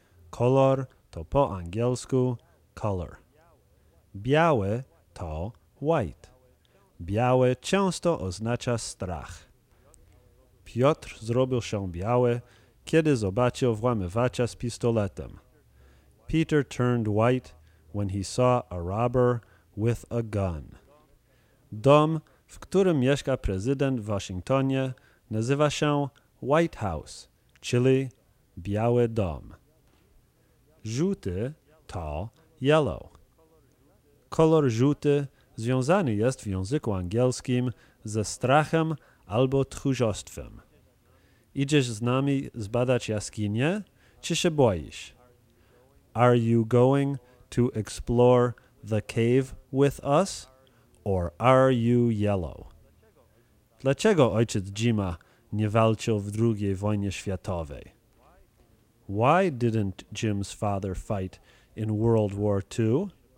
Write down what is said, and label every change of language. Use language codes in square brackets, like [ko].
[pl] Kolor to po angielsku color. Biały to white. Biały często oznacza strach. Piotr zrobił się biały, kiedy zobaczył włamywacza z pistoletem. [en] Peter turned white when he saw a robber with a gun. [pl] Dom, w którym mieszka prezydent w Waszyngtonie, nazywa się White House, czyli Biały Dom. Żółty to yellow. Kolor żółty związany jest w języku angielskim ze strachem albo tchórzostwem. Idziesz z nami zbadać jaskinię, czy się boisz? [en] Are you going to explore the cave with us, or are you yellow? [pl] Dlaczego ojciec Jima nie walczył w II wojnie światowej? [en] Why didn't Jim's father fight in World War II?